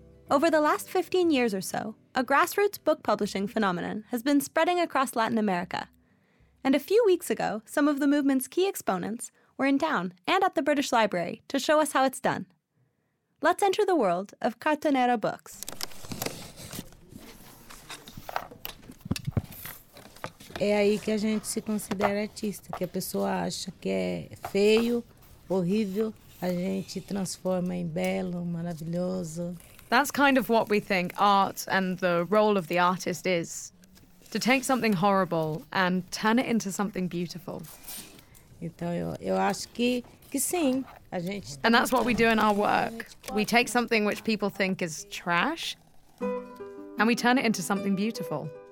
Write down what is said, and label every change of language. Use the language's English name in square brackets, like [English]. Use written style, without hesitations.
[English] Over the last 15 years or so, a grassroots book publishing phenomenon has been spreading across Latin America. And a few weeks ago, some of the movement's key exponents were in town and at the British Library to show us how it's done. Let's enter the world of cartonera books. [Portuguese] É aí que a gente se considera artista, que a pessoa acha que é feio, horrível, a gente transforma em belo, maravilhoso. [English] That's kind of what we think art and the role of the artist is. To take something horrible and turn it into something beautiful. And that's what we do in our work. We take something which people think is trash and we turn it into something beautiful.